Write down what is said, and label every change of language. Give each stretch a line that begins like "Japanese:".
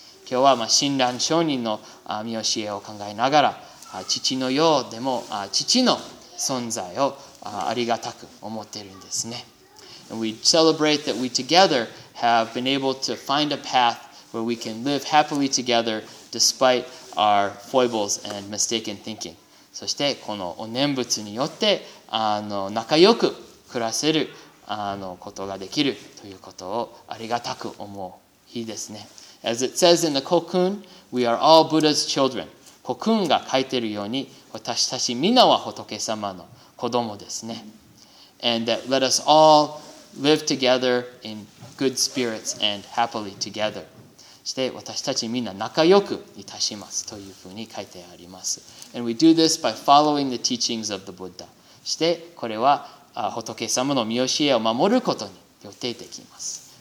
Japanese: 今日は Shinran Shonin の御教えを考えながら、父のようでも父の存在をありがたく思っているんですね。
English: And we celebrate that we together have been able to find a path where we can live happily together despite our foibles and mistaken thinking.
Japanese: そしてこのお念仏によって仲良く暮らせることができるということをありがたく思う日ですね。
English: As it says in the Kokun, we are all Buddha's children.
Japanese: Kokun が書いているように、私たちみんなは仏様の子供ですね。
English: And that let us all live together in good spirits and happily together.
Japanese: して私たちみんな仲良くいたしますというふうに書いてあります。
English: And we do this by following the teachings of the Buddha.
Japanese: してこれは仏様の御教えを守ることによってできます。